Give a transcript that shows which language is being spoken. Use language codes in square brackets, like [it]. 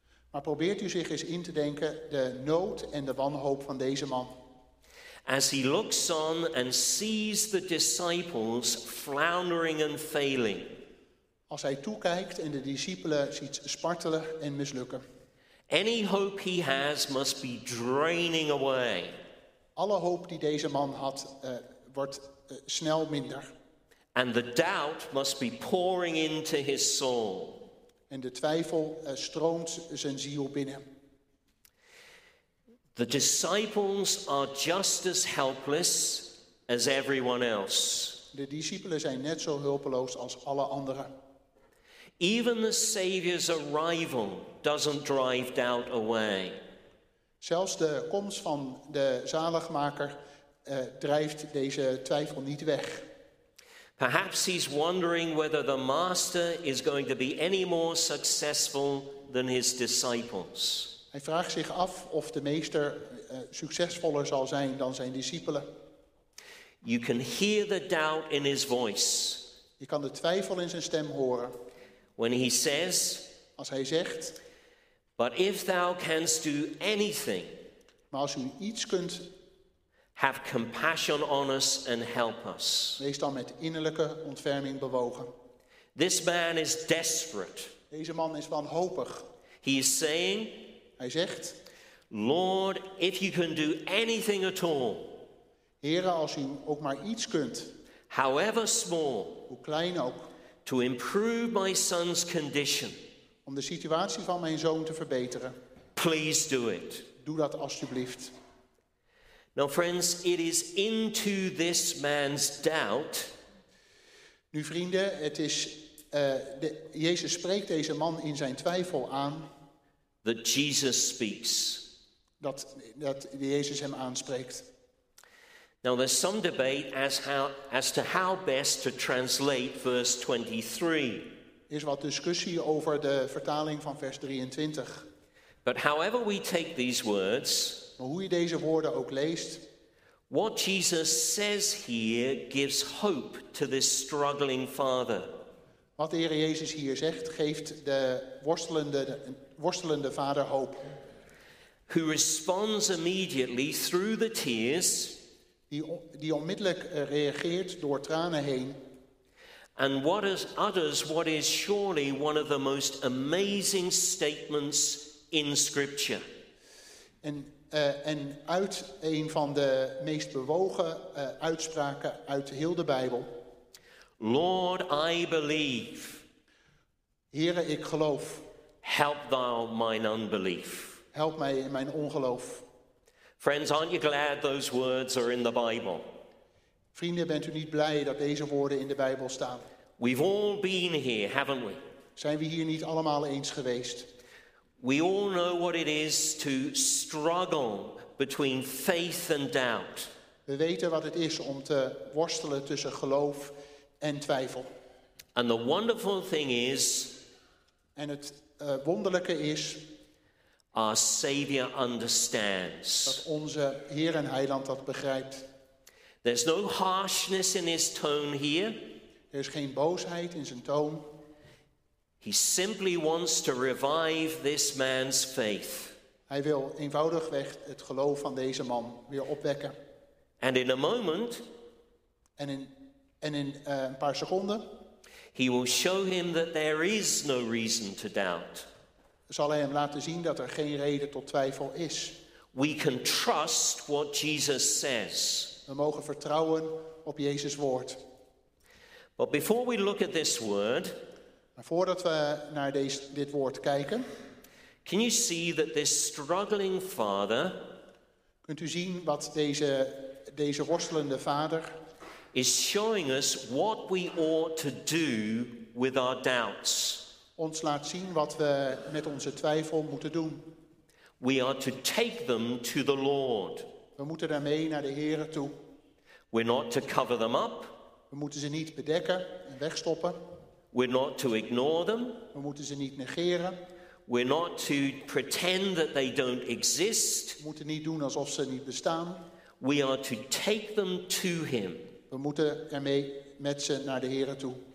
[nl] Maar probeert u zich eens in te denken de nood en de wanhoop van deze man. [en] As he looks on and sees the disciples floundering and failing. [nl] Als hij toekijkt en de discipelen ziet spartelen en mislukken. [en] Any hope he has must be draining away. [nl] Alle hoop die deze man had wordt snel minder. [en] And the doubt must be pouring into his soul. [nl] En de twijfel stroomt zijn ziel binnen. [en] The disciples are just as helpless as everyone else. [nl] De discipelen zijn net zo hulpeloos als alle anderen. [en] Even the Savior's arrival doesn't drive doubt away. [nl] Zelfs de komst van de zaligmaker drijft deze twijfel niet weg. [en] Perhaps he's wondering whether the master is going to be any more successful than his disciples. [nl] Hij vraagt zich af of de meester succesvoller zal zijn dan zijn discipelen. [en] You can hear the doubt in his voice. [nl] Je kan de twijfel in zijn stem horen. [en] When he says, [nl] als hij zegt, [en] but if thou canst do anything, [nl] maar als u iets kunt, [en] have compassion on us and help us. [nl] Wees dan met innerlijke ontferming bewogen. [en] This man is desperate. [nl] Deze man is wanhopig. [en] He is saying, [nl] hij zegt, [en] Lord, if you can do anything at all, [nl] Heere, als u ook maar iets kunt, [en] however small, [nl] hoe klein ook, [en] to improve my son's condition, [nl] om de situatie van mijn zoon te verbeteren, [en] please do it. [nl] Doe dat alsjeblieft. [en] Now, friends, it is into this man's doubt. [nl] Nu, vrienden, het is Jezus spreekt deze man in zijn twijfel aan. [en] That Jesus speaks. [nl] Dat Jezus hem aanspreekt. [en] Now there's some debate as to how best to translate verse 23. [nl] Is wat discussie over de vertaling van vers 23. [en] But however we take these words, [nl] maar hoe je deze woorden ook leest, [en] what Jesus says here gives hope to this struggling father. [nl] Wat de Heer Jezus hier zegt, geeft de worstelende vader hoop. [en] Who responds immediately through the tears. [nl] Die onmiddellijk reageert door tranen heen. [en] And utters what is surely one of the most amazing statements in Scripture. [nl] En uit een van de meest bewogen uitspraken uit heel de Bijbel. [en] Lord, I believe. [nl] Heere, ik geloof. [en] Help thou mine unbelief. [nl] Help mij in mijn ongeloof. [en] Friends, aren't you glad those words are in the Bible? [nl] Vrienden, bent u niet blij dat deze woorden in de Bijbel staan? [en] We've all been here, haven't we? [nl] Zijn we hier niet allemaal eens geweest? [en] We all know what it is to struggle between faith and doubt. [nl] We weten wat het is om te worstelen tussen geloof en twijfel. [en] And the wonderful thing is, [nl] en het wonderlijke is, [en] our Savior understands. [nl] Dat onze Heer en Heiland dat begrijpt. [en] There's no harshness in his tone here. [nl] Er is geen boosheid in zijn toon. [en] He simply wants to revive this man's faith. [nl] Hij wil eenvoudigweg het geloof van deze man weer opwekken. [en] And in a moment, [nl] en in een paar seconden, [en] he will show him that there is no reason to doubt. [nl] Zal hij hem laten zien dat er geen reden tot twijfel is. [en] We can trust what Jesus says. [nl] We mogen vertrouwen op Jezus woord. [en] But before we look at this word, [nl] maar voordat we naar dit woord kijken, [en] can you see that this struggling father, [nl] kunt u zien wat deze worstelende vader [en] is showing us what we ought to do with our doubts. [nl] Ons laat zien wat we met onze twijfel moeten doen. [en] We are to take them to the Lord. [nl] We moeten daarmee naar de Heere toe. [en] We're not to cover them up. [nl] We moeten ze niet bedekken en wegstoppen. [en] We're not to ignore them. [nl] We moeten ze niet negeren. [en] We're not to pretend that they don't exist. [nl] We moeten niet doen alsof ze niet bestaan. [en] We are to take them to him. [nl] We moeten ermee met ze naar de Heere toe.